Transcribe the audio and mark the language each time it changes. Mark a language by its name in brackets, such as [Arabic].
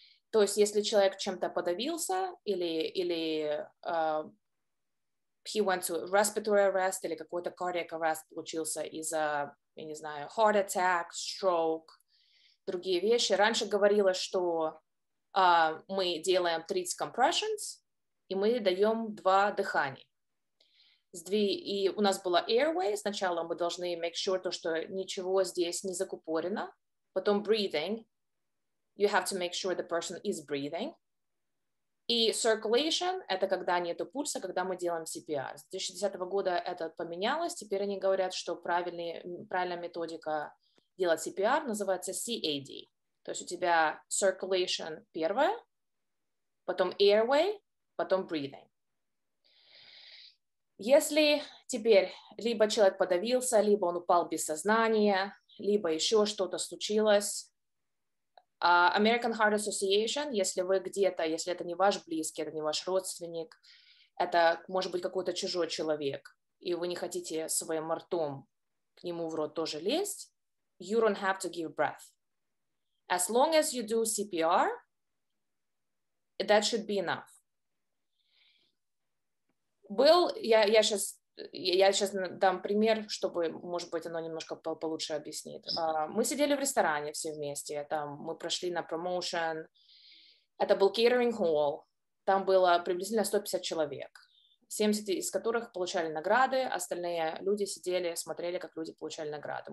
[Russian] То есть, если человек чем-то подавился или [English] he went to respiratory arrest [Russian] или какой-то cardiac arrest получился из-за, я не знаю, heart attack, stroke, другие вещи. Раньше говорилось, что мы делаем 30 compressions и мы даем 2 дыхания. И у нас была airway. Сначала мы должны [English] make sure, [Russian] то, что ничего здесь не закупорено. Потом [English] breathing, you have to make sure the person is breathing. [Russian] И circulation, это когда нету пульса, когда мы делаем CPR. С 2010 года это поменялось, теперь они говорят, что правильная методика делать CPR называется CAD. То есть у тебя circulation первое, потом airway, потом breathing. Если теперь либо человек подавился, либо он упал без сознания, либо еще что-то случилось. American Heart Association, если вы где-то, если это не ваш близкий, это не ваш родственник, это может быть какой-то чужой человек, и вы не хотите своим ртом к нему в рот тоже лезть, [English] you don't have to give breath. As long as you do CPR, that should be enough. [Russian] Я сейчас... Я сейчас дам пример, чтобы, может быть, оно немножко получше объяснит. Мы сидели в ресторане все вместе, там мы прошли на промоушен, это был catering hall, там было приблизительно 150 человек, 70 из которых получали награды, остальные люди сидели, смотрели, как люди получали награды.